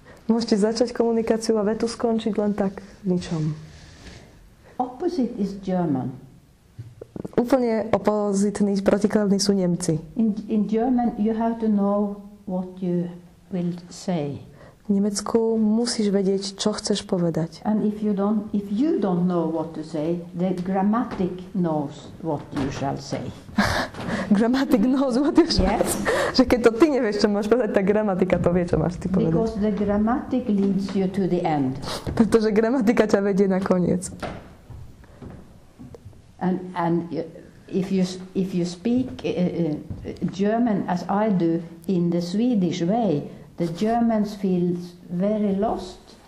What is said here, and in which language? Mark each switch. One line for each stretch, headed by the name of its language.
Slovak: Môžete začať komunikáciu a vetu skončiť len tak ničom.
English: Opposite is German.
Slovak: Úplne opozitní, protikladní sú Nemci.
English: In German you have to know what you will say.
Slovak: V Nemecku musíš vedieť, čo chceš povedať.
English: And if you don't know what to say, the grammatic knows what you shall say. Grammatic knows what you shall yes. say.
Slovak: Že keď to ty nevieš, čo máš povedať, tá gramatika to vie, čo máš ty povedať.
English: Because the grammatic leads you to the end.
Slovak: Pretože gramatika ťa vedie na koniec.
English: And if you speak German as I do in the Swedish way, the Germans feel very lost.